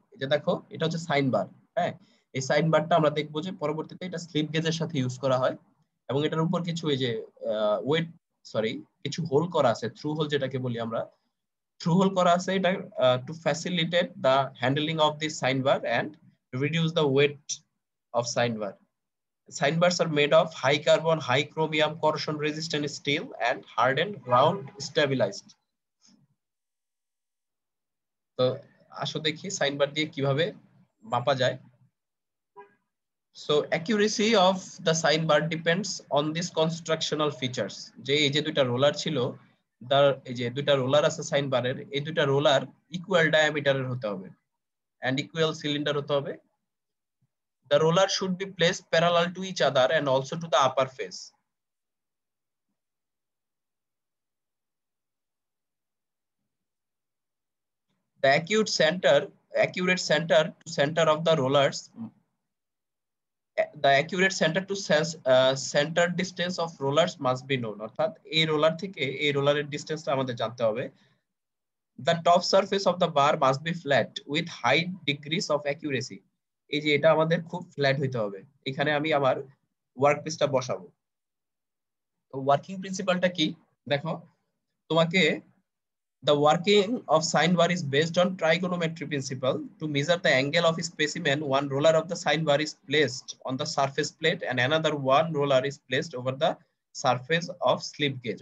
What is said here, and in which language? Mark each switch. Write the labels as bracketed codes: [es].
[bn] এই যে দেখো এটা হচ্ছে সাইন বার। হ্যাঁ এই সাইন বারটা আমরা দেখবো যে পরবর্তীতে এটা স্লিপ গেজের সাথে ইউজ করা হয়, এবং এটার উপর কিছু এই যে ওয়েট সরি কিছু হোল করা আছে, থ্রু হোল যেটাকে বলি আমরা, থ্রু হোল করা আছে এটা [en] To facilitate the handling of this sine bar and reduce the weight of sine bar. Sign bars are made of high carbon, high chromium, corrosion resistant steel and hardened ground stabilized. [bn] তো আসো দেখি sign বার দিয়ে কিভাবে মাপা যায়। [en] So accuracy of the sign bar depends on these constructional features. [bn] যে এই যে দুইটা রোলার ছিল, এই যে দুইটা রোলার আছে সাইন বারের, এই দুইটা রোলার ইকুয়াল ডায়ামিটারের হতে হবে [en] and equal cylinder [bn] হতে হবে। [en] The roller should be placed parallel to each other and also to the upper face. The accurate center to center of the rollers, the accurate center to center distance of rollers must be known. [bn] অর্থাৎ এই roller থেকে এই রোলারের ডিস্টেন্সটা আমাদের জানতে হবে। [en] The top surface of the bar must be flat with high degrees of accuracy. [bn] এই যে এটা আমাদের খুব ফ্ল্যাট হইতে হবে, এখানে আমি আমার ওয়ার্ক পিসটা বসাবো। তো ওয়ার্কিং প্রিন্সিপালটা কি দেখো, তোমাকে [en] The working of sine bar is based on trigonometry principle to measure the angle of specimen one roller of the sine bar is placed on the surface plate and another one roller is placed over the surface of slip gauge.